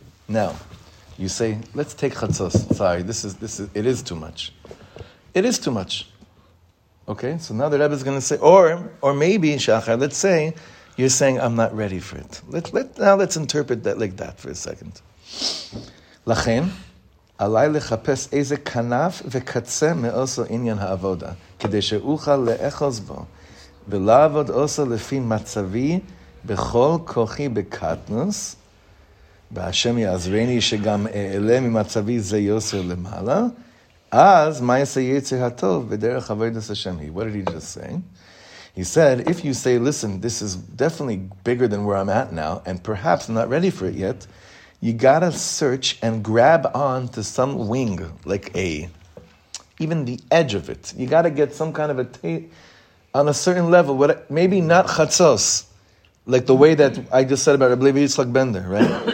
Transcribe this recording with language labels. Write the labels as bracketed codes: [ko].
[en] Now, you say, let's take chatzos. Sorry, it is too much. It is too much. Okay, so now the Rebbe is going to say, or maybe, Shachar, let's say, you're saying, I'm not ready for it. Let's interpret that like that for a second. Lachen, [he] עליי לחפש איזה כנף וקצה מאוסו עניין העבודה, כדי שאוכל לאחוז בו, ולעבוד אוסו לפי מצבי, בכל כוחי בקטנוס, והשם יעזרני שגם אלה ממצבי זה יוסר למעלה, אז מה יעשה יצר הטוב בדרך עבודת השם? [en] What did he just say? He said, if you say, listen, this is definitely bigger than where I'm at now, and perhaps I'm not ready for it yet, you gotta search and grab on to some wing, like a, even the edge of it. You gotta get some kind of a tape on a certain level, what, maybe not chatzos, like the way that I just said about Rabbi Yitzchak Bender, right?